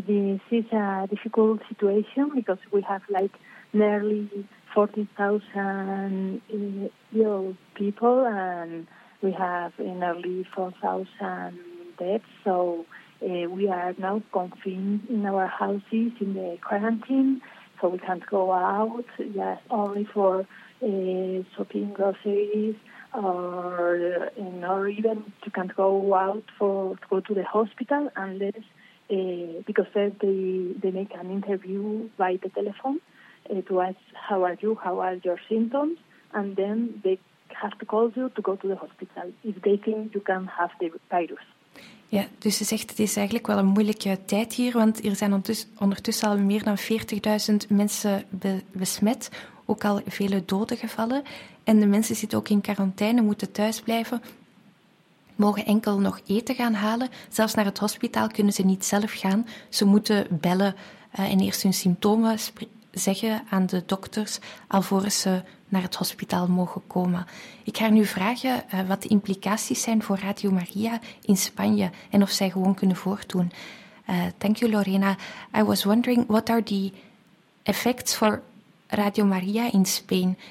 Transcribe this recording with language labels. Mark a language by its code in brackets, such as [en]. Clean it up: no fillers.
[en] This is a difficult situation because we have like nearly 40,000 ill people and we have nearly 4,000 deaths, so we are now confined in our houses in the quarantine, so we can't go out, just only for shopping groceries, or even you can't go out to go to the hospital unless because first they make an interview by the telephone to ask how are you, how are your symptoms, and then they have to call you to go to the hospital if they think you can have the virus. [nl] Ja, dus ze zegt het is eigenlijk wel een moeilijke tijd hier, want er zijn ondertussen al meer dan 40.000 mensen besmet, ook al vele doden gevallen. En de mensen zitten ook in quarantaine, moeten thuis blijven, mogen enkel nog eten gaan halen. Zelfs naar het hospitaal kunnen ze niet zelf gaan. Ze moeten bellen en eerst hun symptomen zeggen aan de dokters alvorens ze naar het hospitaal mogen komen. Ik ga nu vragen wat de implicaties zijn voor Radio Maria in Spanje en of zij gewoon kunnen voortdoen. [en] Thank you, Lorena. I was wondering, what are the effects for Radio Maria in Spain?